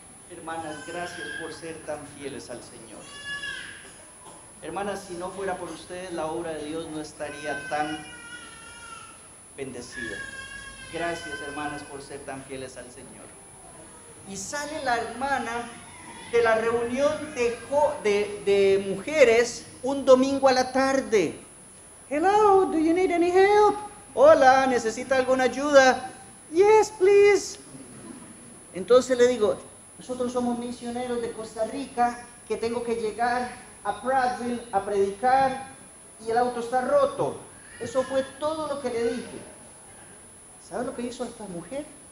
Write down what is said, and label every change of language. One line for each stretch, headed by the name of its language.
Spanish: Hermanas, gracias por ser tan fieles al Señor. Hermanas, si no fuera por ustedes, la obra de Dios no estaría tan bendecida. Gracias, hermanas, por ser tan fieles al Señor. Y sale la hermana de la reunión de mujeres un domingo a la tarde.
English: Hello, do you need any help?
Spanish: Hola, ¿necesita alguna ayuda?
English: Yes, please.
Spanish: Entonces le digo, nosotros somos misioneros de Costa Rica que tengo que llegar a Prattville a predicar y el auto está roto. Eso fue todo lo que le dije. ¿Sabe lo que hizo esta mujer?